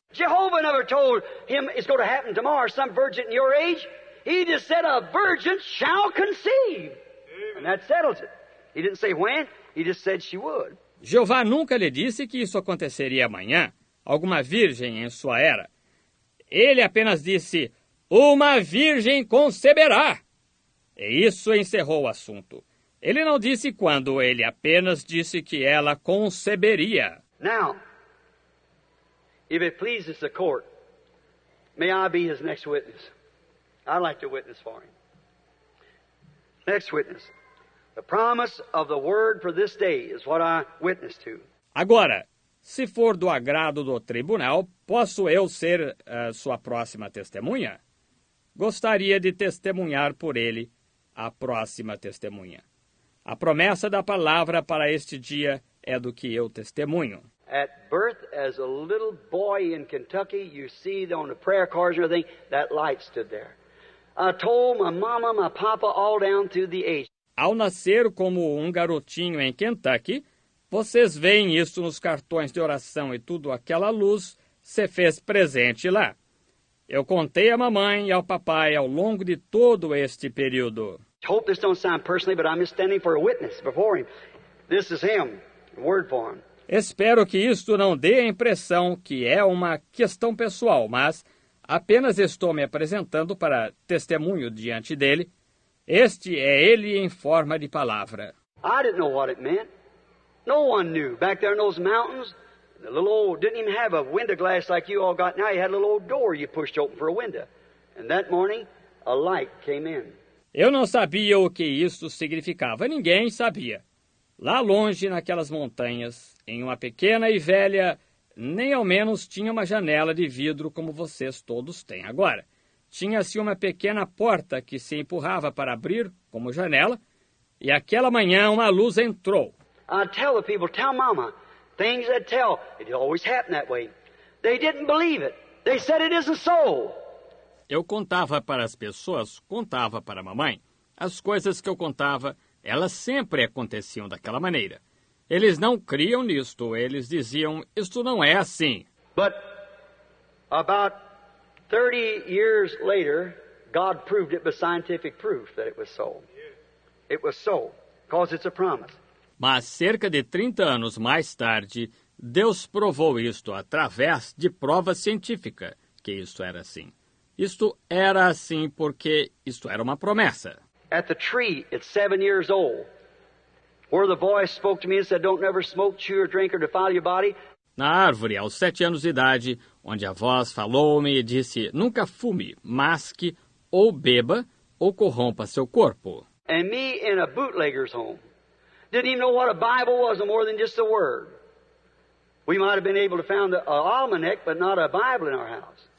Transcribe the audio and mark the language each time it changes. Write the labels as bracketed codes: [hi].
[en] Jehovah never told him it's going to happen tomorrow, some virgin in your age. He just said a virgin shall conceive. Amen. And that settles it. He didn't say when, he just said she would. [pt] Jeová nunca lhe disse que isso aconteceria amanhã, alguma virgem em sua era. Ele apenas disse, uma virgem conceberá. E isso encerrou o assunto. Ele não disse quando, ele apenas disse que ela conceberia. [en] Now, if it pleases the court, may I be his next witness. I'd like to witness for him. Next witness. The promise of the word for this day is what I witness to. [pt] Agora, se for do agrado do tribunal, posso eu ser sua próxima testemunha? Gostaria de testemunhar por ele a próxima testemunha. A promessa da palavra para este dia é do que eu testemunho. [en] At birth, as a little boy in Kentucky, you see on the prayer cards and everything, that light stood there. I told my mama, my papa, all down through the ages. [pt] Ao nascer como um garotinho em Kentucky, vocês veem isso nos cartões de oração e tudo, aquela luz se fez presente lá. Eu contei à mamãe e ao papai ao longo de todo este período. [en] Hope this don't sound personally, but I'm just standing for a witness before him. This is him, word for him. [pt] Espero que isto não dê a impressão que é uma questão pessoal, mas apenas estou me apresentando para testemunho diante dele. Este é ele em forma de palavra. [en] I didn't know what it meant. No one knew. Back there in those mountains, the little old, didn't even have a window glass like you all got now. He had a little old door you pushed open for a window. And that morning, a light came in. [pt] Eu não sabia o que isso significava. Ninguém sabia. Lá longe, naquelas montanhas, em uma pequena e velha, nem ao menos tinha uma janela de vidro como vocês todos têm agora. Tinha-se uma pequena porta que se empurrava para abrir como janela, e aquela manhã uma luz entrou. [en] I tell the people, tell mama, things that tell, it always happened that way. They didn't believe it. They said it isn't so. [pt] Eu contava para as pessoas, contava para a mamãe. As coisas que eu contava, elas sempre aconteciam daquela maneira. Eles não criam nisto, eles diziam, isto não é assim. [en] But about 30 years later, God proved it by scientific proof that it was so. It was so, because it's a promise. [pt] Mas cerca de 30 anos mais tarde, Deus provou isto através de prova científica que isto era assim. Isto era assim porque isto era uma promessa. [en] At the tree, it's 7 years old. where the voice spoke to me and said, don't ever smoke, chew or drink or defile your body. [pt] Na árvore, aos 7 anos de idade, onde a voz falou-me e disse, nunca fume, masque ou beba ou corrompa seu corpo. [en] And me in a bootlegger's home. Didn't even know what a Bible was, more than just a word. We might have been able to found an almanac, but not a Bible in our house.